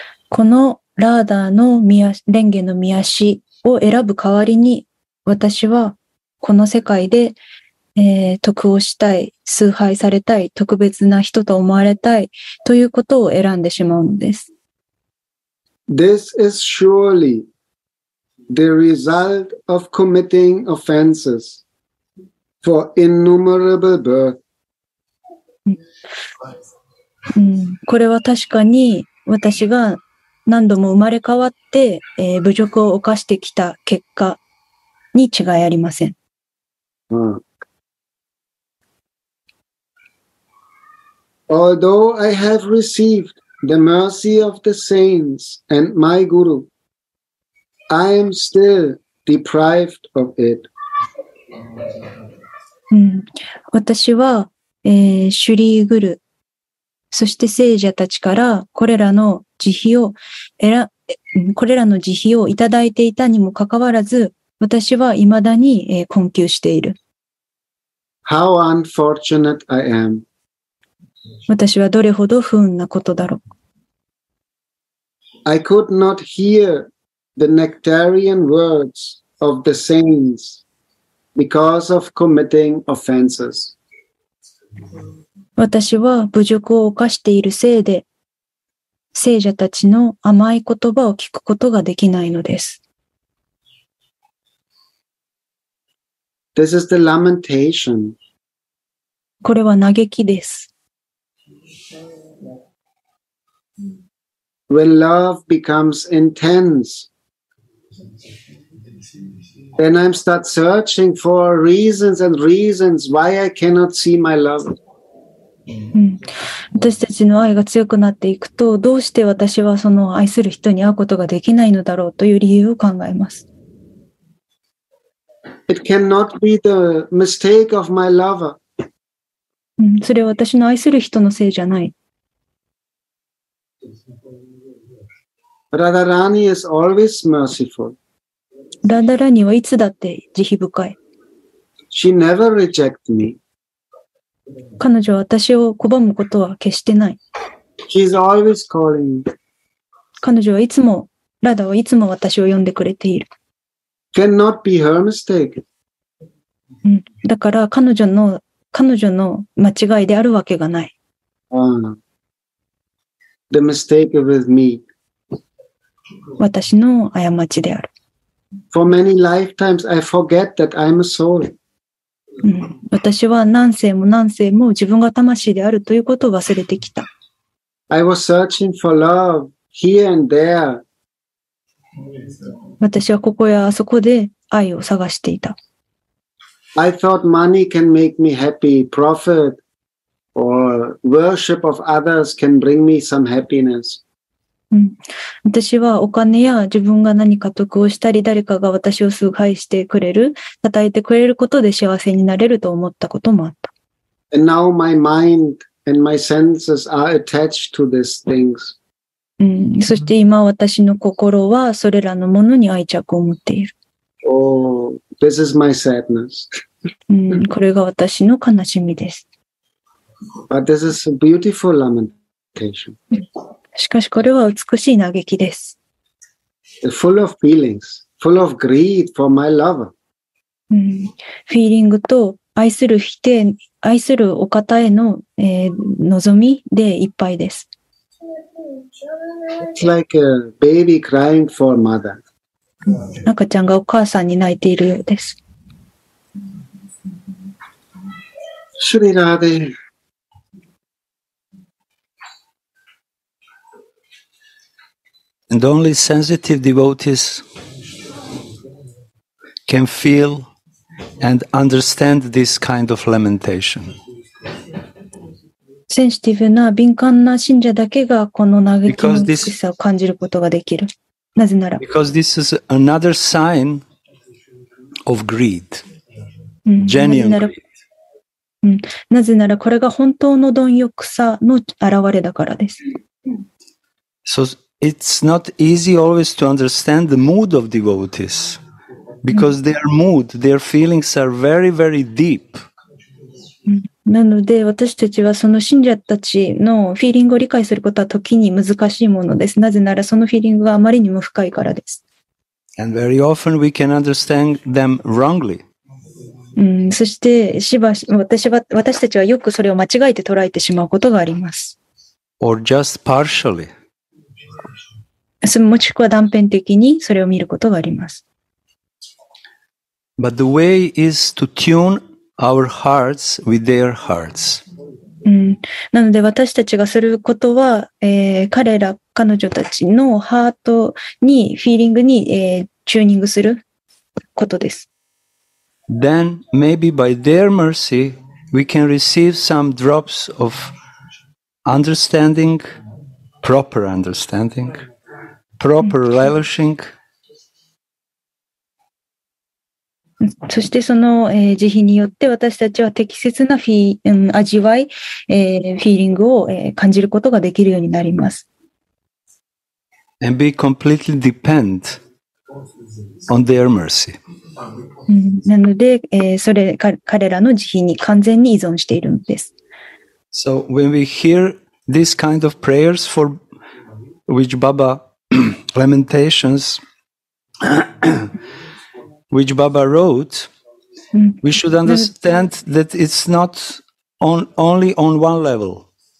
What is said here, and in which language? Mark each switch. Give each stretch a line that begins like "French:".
Japanese: このラーダーの蓮華の御足を選ぶ代わりに、私はこの世界で、得をしたい、崇拝されたい、特別な人と思われたいということを選んでしまうのです。
English: This is surely the result of committing offenses. For innumerable birth.
Japanese: これは確かに私が何度も生まれ変わって、侮辱を犯してきた結果に違いありません。
English: Although I have received the mercy of the saints and my guru, I am still deprived of it.
Japanese: 私は、シュリーグル、そして聖者たちからこれらの慈悲を、これらの慈悲をいただいていたにもかかわらず、私は未だに、困窮している。
English: How unfortunate I am.
Japanese: 私はどれほど不運なことだろう。
English: I could not hear the nectarian words of the saints. Because of committing offenses.
Japanese: 私は侮辱を犯しているせいで、聖者たちの甘い言葉を聞くことができないのです。
English: This is the lamentation.
Japanese: これは嘆きです。
English: When love becomes intense,Then I start searching for reasons and reasons why I cannot see my love.
Japanese: 私たちの愛が強くなっていくと、どうして私はその愛する人に会うことができないのだろうという理由を考えます。
English: It cannot be the mistake of my lover.
Japanese: それは私の愛する人のせいじゃない。
English: Radharani is always merciful.
Japanese: Radharani はいつだって慈悲深い。
English: She never rejects me.
Japanese: 彼女は私を拒むことは決してない。
English: She is always calling me.
Japanese: 彼女はいつも、ラダはいつも私を呼んでくれている。
English: Cannot be her mistake.
Japanese: だから彼女の間違いであるわけがない。
English: The mistake with me.
Japanese: 私の過ちである。
English: For many lifetimes, I forget that I'm a soul.
Japanese: 私は何世も何世も自分が魂であるということを忘れてきた。
English: I was searching for love here and there.
Japanese: 私はここやあそこで愛を探していた。
English: I thought money can make me happy, profit or worship of others can bring me some happiness.
Japanese: 私はお金や自分が何か得をしたり誰かが私を崇拝してくれる、讃えてくれることで幸せになれると思ったこともあった。
English: And now my mind and my senses are attached to these things.
Japanese: そして今私の心はそれらのものに愛着を持っている。
English: Oh, this is my sadness.
Japanese: これが私の悲しみです。
English: But this is a beautiful lamentation.
Japanese: しかしこれは美しい嘆きです。
English: Full of feelings, full of greed for my lover.
Japanese: フィーリングと愛する否定、愛するお方への、望みでいっぱいです。
English: It's like a baby crying for mother.
Japanese: 赤ちゃんがお母さんに泣いているようです。シュリラーデ。
English: And only sensitive devotees can feel and understand this kind of lamentation.
Japanese: センシティブな敏感な信者だけがこの嘆きの美しさを感じることができる。なぜなら。
English: Because this is another sign of greed. Genuine greed.
Japanese: なぜならこれが本当の貪欲さの現れだからです。
English: So,It's not easy always to understand the mood of devotees because their mood, their feelings are very, very deep.
Japanese: なので私たちはその信者たちのフィーリングを理解することは時に難しいものです。なぜならそのフィーリングがあまりにも深いからです。
English: And very often we can understand them wrongly.
Japanese: そしてしばし私たちはよくそれを間違えて捉えてしまうことがあります。
English: Or just partially.
Japanese: もしくは断片的にそれを見ることがあります。
English: But the way is to tune our hearts with their hearts.
Japanese: なので私たちがすることは、彼ら、彼女たちのハートに、フィーリングに、チューニングすることです。
English: Then maybe by their mercy we can receive some drops of understanding, proper understanding. Proper relishing.
Japanese: そしてその、慈悲によって私たちは適切なフィー、味わい、フィーリングを、感じることができるようになります。
English: And be completely depend on their mercy.
Japanese: なので、それ、彼らの慈悲に完全に依存しているんです。
English: So when we hear this kind of prayers for which Baba Lamentations, which Baba wrote, we should understand that it's not on, only on one level.